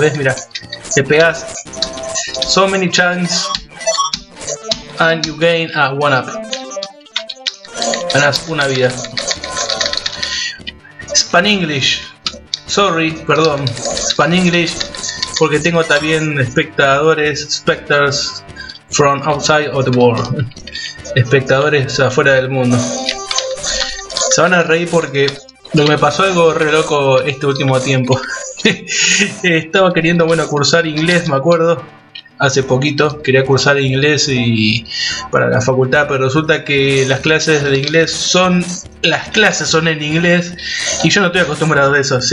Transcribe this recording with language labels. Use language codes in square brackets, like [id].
[es] ¿Ves? Mira, te pegas. [en] So many chances. And you gain a one up. [es] Ganas una vida. [en] Spanish. Sorry, [es] perdón. [en] Spanish. [es] Porque tengo también espectadores. [en] Spectres from outside of the world. [es] Espectadores afuera del mundo. Se van a reír porque me pasó algo re loco este último tiempo. Estaba queriendo, bueno, cursar inglés, me acuerdo. Hace poquito quería cursar inglés y para la facultad, pero resulta que las clases de inglés son en inglés y yo no estoy acostumbrado a eso.